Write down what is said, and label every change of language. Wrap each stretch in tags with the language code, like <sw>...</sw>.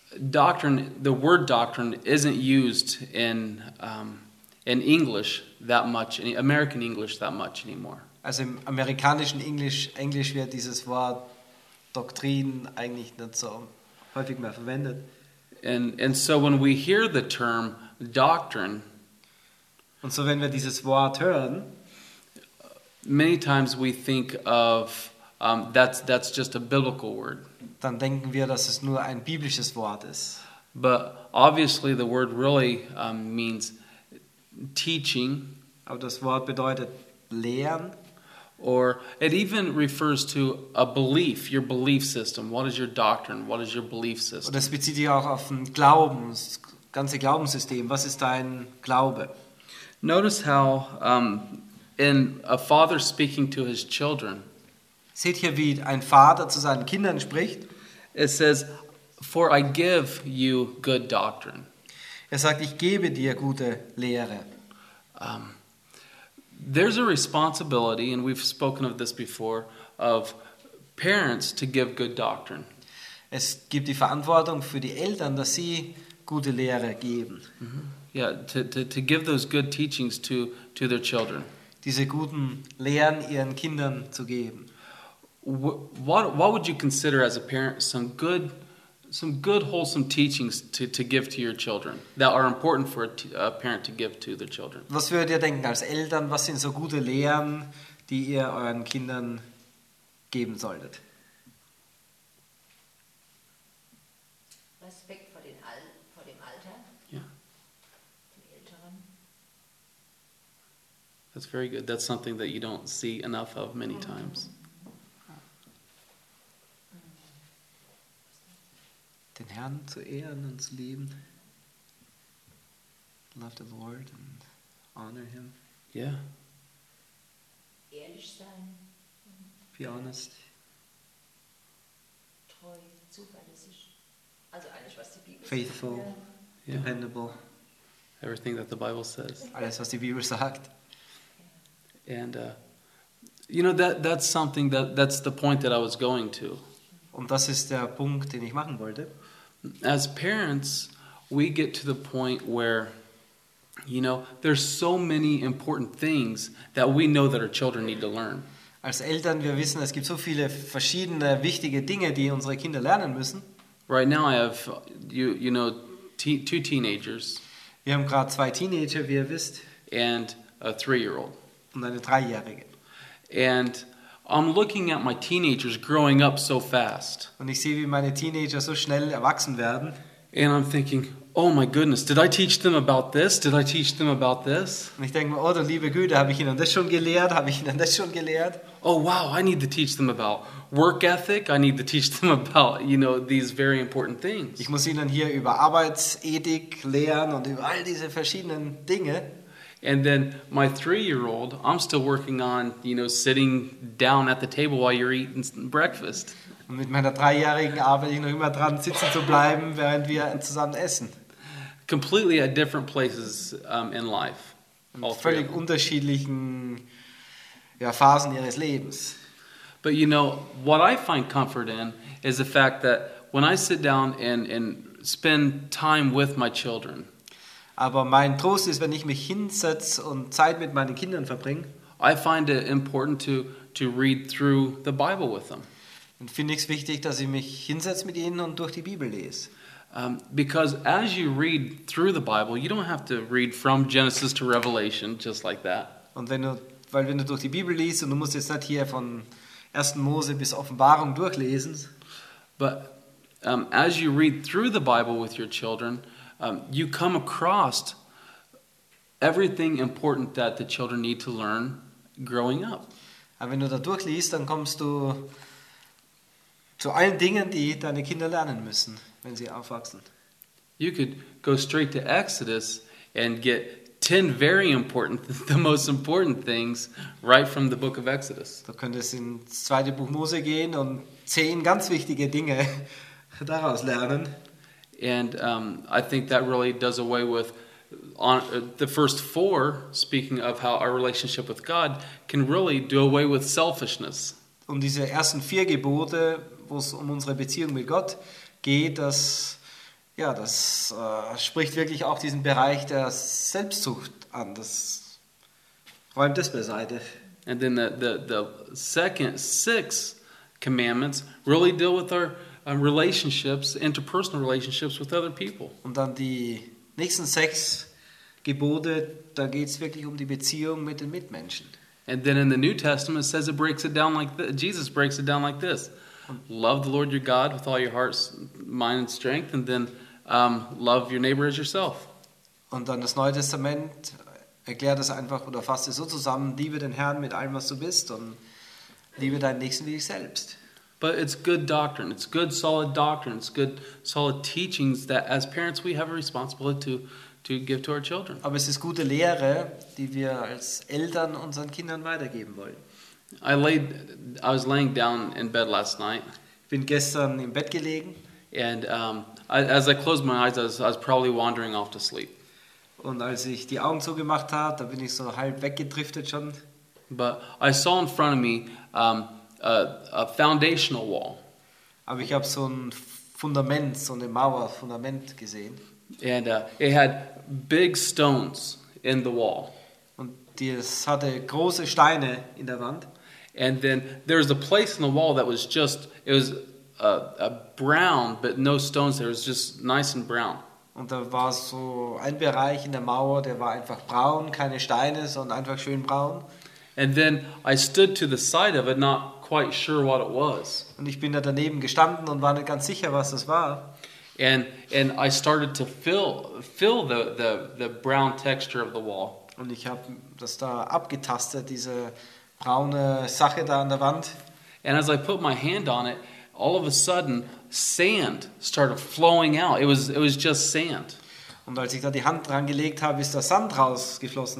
<en>Doctrine, the word doctrine isn't used in English that much, in American English that much anymore.</en> <de>Also im amerikanischen Englisch wird dieses Wort Doktrin eigentlich nicht so häufig mehr verwendet.</de> <en>And so when we hear the term doctrine,</en> <de>und so wenn wir dieses Wort hören,</de> <en>many times we think of that's just a biblical word.</en> <de>Dann denken wir, dass es nur ein biblisches Wort ist.</de> <en>But obviously the word really means teaching.</en> <de>Aber das Wort bedeutet lehren.</de> <en>Or it even refers to a belief, your belief system. What is your doctrine? What is your belief system?</en> <de>Und das bezieht sich auch auf den Glauben, das ganze Glaubenssystem. Was ist dein Glaube?</de> <en>Notice how in a father speaking to his children.</en> <de>Seht hier, wie ein Vater zu seinen Kindern spricht.</de> <en>It says, "For I give you good doctrine."</en> <de>Er sagt, ich gebe dir gute Lehre.</de> <en>There's a responsibility, and we've spoken of this before, of parents to give good doctrine.</en> <de>Es gibt die Verantwortung für die Eltern, dass sie gute Lehre geben. Mm-hmm.</de> <en>Yeah, to give those good teachings to their children.</en> <de>Diese guten Lehren ihren Kindern zu geben.</de> <en>What would you consider as a parent some good wholesome teachings to give to your children that are important for a parent to give to their children?</en> <de>Was würdet ihr denken als Eltern, was sind so gute Lehren, die ihr euren Kindern geben solltet? Respekt vor den vor dem Alter. Ja. Den Älteren.</de> <en>That's very good. That's something that you don't see enough of many times.</en> <de>Den Herrn zu ehren und zu lieben.</de> <en>Love the Lord and honor him. Yeah.</en> <de>Ehrlich sein.</de> <en>Be honest.</en> <de>Treu, zuverlässig. Also alles, was die Bibel sagt.</de> <en>Faithful, yeah. Dependable. Everything that the Bible says.</en> <de>Alles, was die Bibel sagt.</de> <en>And, you know, that's something, that's the point that I was going to.</en> <de>Und das ist der Punkt, den ich machen wollte.</de> <en>As parents, we get to the point where, you know, there's so many important things that we know that our children need to learn.</en> <de>Als Eltern, wir wissen, es gibt so viele verschiedene wichtige Dinge, die unsere Kinder lernen müssen.</de> <en>Right now I have, two teenagers.</en> <de>Wir haben gerade zwei Teenager, wie ihr wisst.</de> <en>And a three-year-old.</en> <de>Und eine Dreijährige.</de> <en>And I'm looking at my teenagers growing up so fast.</en> <de>Und ich sehe, wie meine Teenager so schnell erwachsen werden.</de> <en>And I'm thinking, oh my goodness, did I teach them about this? Did I teach them about this?</en> <de>Und ich denke mir, oh, du liebe Güte, habe ich ihnen das schon gelehrt? Habe ich ihnen das schon gelehrt?</de> <en>Oh wow, I need to teach them about work ethic. I need to teach them about, you know, these very important things.</en> <de>Ich muss ihnen hier über Arbeitsethik lehren und über all diese verschiedenen Dinge.</de> <en>And then my three-year-old, I'm still working on, you know, sitting down at the table while you're eating breakfast.</en> <de>Und mit meiner dreijährigen arbeite ich noch immer dran, sitzen zu bleiben, während wir zusammen essen.</de> <en>Completely at different places in life.</en> <de>In völlig unterschiedlichen Phasen ihres Lebens.</de> <en>But you know, what I find comfort in is the fact that when I sit down and spend time with my children.</en> <de>Aber mein Trost ist, wenn ich mich hinsetze und Zeit mit meinen Kindern verbringe.</de> <en>I find it important to read through the Bible with them.</en> <de>Und finde ich es wichtig, dass ich mich hinsetze mit ihnen und durch die Bibel lese.</de> <en>Because as you read through the Bible, you don't have to read from Genesis to Revelation just like that.</en> <de>Und wenn du, weil wenn du durch die Bibel liest und du musst jetzt nicht hier von 1. Mose bis Offenbarung durchlesen.</de> <en>But as you read through the Bible with your children, you come across everything important that the children need to learn growing up.</en> <de>Aber wenn du da durchliest, dann kommst du zu allen Dingen, die deine Kinder lernen müssen. Wenn sie aufwachsen.</de> <en>You could go straight to Exodus and get 10 very important, the most important things right from the book of Exodus.</en> <de>Du könntest ins zweite Buch Mose gehen und 10 ganz wichtige Dinge daraus lernen.</de> <en>And I think that really does away with the first 4, speaking of how our relationship with God can really do away with selfishness.</en> <de>Und diese ersten 4 Gebote, wo es um unsere Beziehung mit Gott geht, das, ja, das spricht wirklich auch diesen Bereich der Selbstsucht an. Das räumt das beiseite.</de> <en>And then the second 6 commandments really deal with our relationships, interpersonal relationships with other people.</en> <de>Und dann die nächsten 6 Gebote, da geht es wirklich um die Beziehung mit den Mitmenschen.</de> <en>And then in the New Testament it says it breaks it down like this. Jesus breaks it down like this. Love the Lord your God with all your heart, mind and strength, and then love your neighbor as yourself.</en> <de>Und dann das Neue Testament erklärt es einfach oder fasst es so zusammen: Liebe den Herrn mit allem, was du bist, und liebe deinen Nächsten wie dich selbst.</de> <en>But it's good doctrine. It's good solid doctrine. It's good solid teachings that as parents we have a responsibility to give to our children.</en> <de>Aber es ist gute Lehre, die wir als Eltern unseren Kindern weitergeben wollen.</de> <en>I was laying down in bed last night.</en> <de>Bin gestern im Bett gelegen.</de> <en>And as I closed my eyes, I was probably wandering off to sleep.</en> <de>Und als ich die Augen zugemacht habe, da bin ich so halb weggedriftet schon.</de> <en>But I saw in front of me a foundational wall.</en> <de>Aber ich habe so ein Fundament, so eine Mauer, Fundament gesehen.</de> <en>And it had big stones in the wall.</en> <de>Das hatte große Steine in der Wand.</de> <en>And then there was a place in the wall that was just, it was a brown, but no stones there. It was just nice and brown.</en> <de>Und da war so ein Bereich in der Mauer, der war einfach braun, keine Steine, sondern einfach schön braun.</de> <en>And then I stood to the side of it, not quite sure what it was.</en> <de>Und ich bin da daneben gestanden und war nicht ganz sicher, was das war.</de> <en>And I started to feel the brown texture of the wall.</en> <de>Und ich habe das da abgetastet, diese braune Sache da an der Wand.</de> <en>And as I put my hand on it, all of a sudden sand started flowing out. It was just sand.</en> <de>Und als ich da die Hand dran gelegt habe, ist da Sand rausgeflossen.</de>